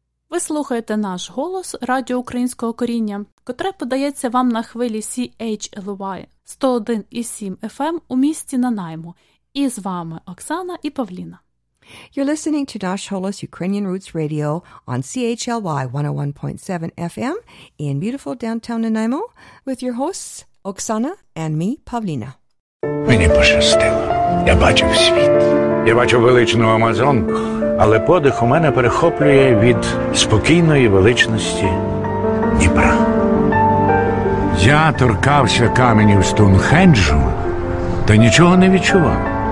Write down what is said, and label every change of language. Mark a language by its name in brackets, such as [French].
[Ukrainian] Ви слухаєте наш голос Радіо Українського коріння, котре подається вам на хвилі CHLY 101.7 FM у місті Нанаймо. І з вами Оксана і Павліна. [English] You're listening to Dash Holos Ukrainian Roots Radio on CHLY 101.7 FM in beautiful downtown Nanaimo with your hosts Оксана and me, Павліна. [Ukrainian] Мені пощастило. Я бачив світ. Я бачив величну Амазонку, але подих у мене перехоплює від спокійної величності Дніпра. Я торкався каменів Стоунхенджу та нічого не відчував.